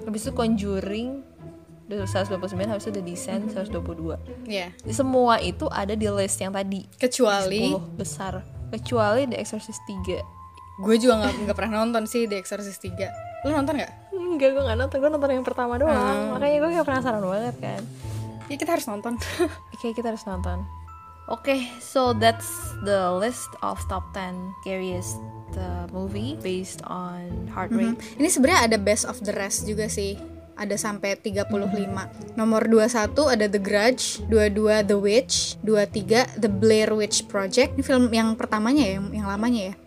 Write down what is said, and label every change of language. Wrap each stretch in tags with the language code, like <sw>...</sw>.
<id>Habis itu Conjuring, 129. Habis itu The Descent, 122. Iya. Yeah. Semua itu ada di list yang tadi. Kecuali... 10 besar. Kecuali The Exorcist 3. Gue juga gak pernah nonton sih The Exorcist 3. Lu nonton gak? Enggak, gue gak nonton. Gue nonton yang pertama doang. Makanya gue kayak penasaran banget kan. Ya kita harus nonton. Oke, kita harus nonton.</id> <en>Oke, so that's the list of top 10 scariest movie based on heartbreak.</en> <id>Ini sebenarnya ada best of the rest juga sih. Ada sampai 35. Nomor 21 ada The Grudge, 22 The Witch, 23 The Blair Witch Project. Ini film yang pertamanya ya, yang lamanya ya.</id>